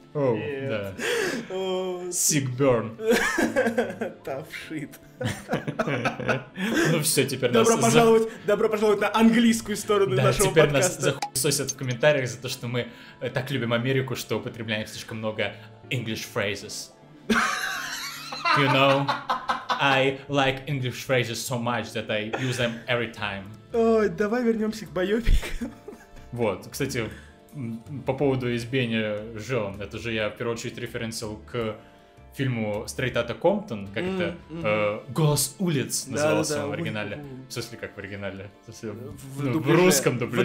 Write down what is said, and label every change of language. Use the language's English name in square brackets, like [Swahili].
[Russian] да. Сигберн. Тавшит. Ну все, теперь добро пожаловать, добро пожаловать на английскую сторону нашего подкаста. Да, теперь нас захуесосят в комментариях за то, что мы так любим Америку, что употребляем слишком много [English] English phrases. You know, I like English phrases so much that I use them every time. [Russian] Ой, давай вернемся к байопикам. Вот, кстати, по поводу избиения жен, это же я в первую очередь референсил к фильму «Straight Outta Compton», как это, «Голос улиц» назывался он в оригинале. В смысле, как в оригинале? В русском дубляже.